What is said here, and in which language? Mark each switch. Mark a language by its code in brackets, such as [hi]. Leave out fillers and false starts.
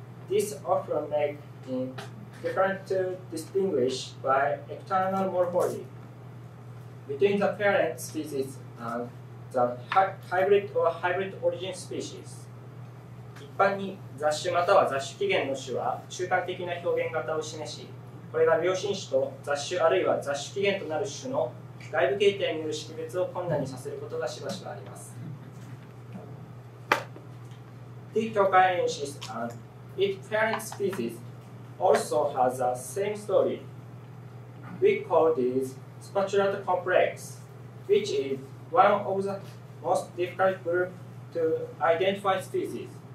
[en] This often makes it different to distinguish by external morphology between the parent species and the hybrid or hybrid origin species. [ja] 一般に雑種または雑種起源の種は中間的な表現型を示し、これが両親種と雑種あるいは雑種起源となる種の外部形態による識別を困難にさせることがしばしばあります。 [en] The tokaiensis and its parent species also has the same story. We call this spatulate complex, which is one of the most difficult group to identify species.